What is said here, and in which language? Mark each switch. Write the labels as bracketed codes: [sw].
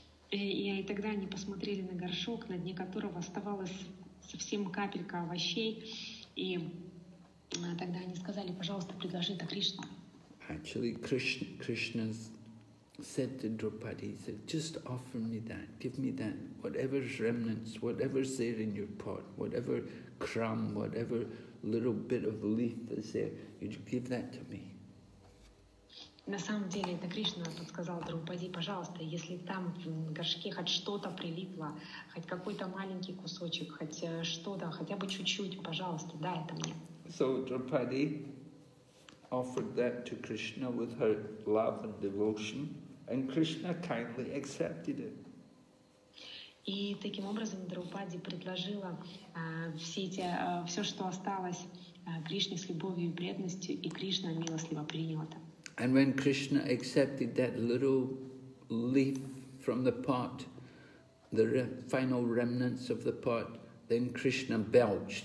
[ru] И тогда они посмотрели на горшок, на дне которого оставалось совсем капелька овощей, и тогда они сказали, пожалуйста, предложи это Кришне. [en] Actually, Krishna said to Draupadi, he said, just offer me that, give me that, whatever's remnants, whatever's there in your pot, whatever crumb, whatever little bit of leaf is there, you give that to me. [ru] На самом деле, это Кришна подсказал Драупади, пожалуйста, если там в горшке хоть что-то прилипло, хоть какой-то маленький кусочек, хоть что-то, хотя бы чуть-чуть, пожалуйста, дай это мне. [en] So Draupadi offered that to Krishna with her love and devotion, and Krishna kindly accepted it. [ru] И таким образом Драупади предложила все эти, все, что осталось Кришне с любовью и преданностью, и Кришна милостиво принял это. [en] And when Krishna accepted that little leaf from the pot, the final remnants of the pot, then Krishna belched.